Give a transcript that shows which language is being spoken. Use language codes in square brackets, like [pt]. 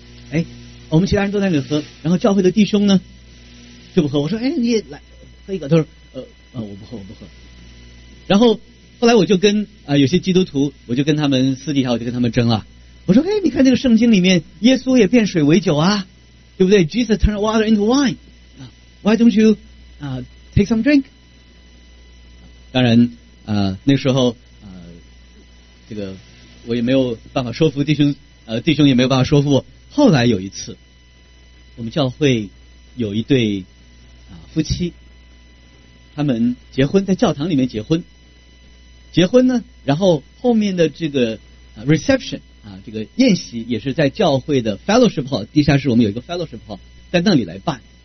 [zh] 哎，我们其他人都在那里喝，然后教会的弟兄呢就不喝，我说哎你也来喝一个，他说我不喝，然后后来我就跟有些基督徒，我就跟他们私底下我就跟他们争了，我说哎，你看这个圣经里面耶稣也变水为酒啊，对不对？ [en] Jesus turned water into wine， Why don't you take some drink？ [zh] 当然那时候这个我也没有办法说服弟兄，弟兄也没有办法说服我。后来有一次我们教会有一对夫妻，他们结婚，在教堂里面结婚呢，然后后面的这个reception这个宴席也是在教会的 fellowship hall 地下室，我们有一个 fellowship hall 在那里来办。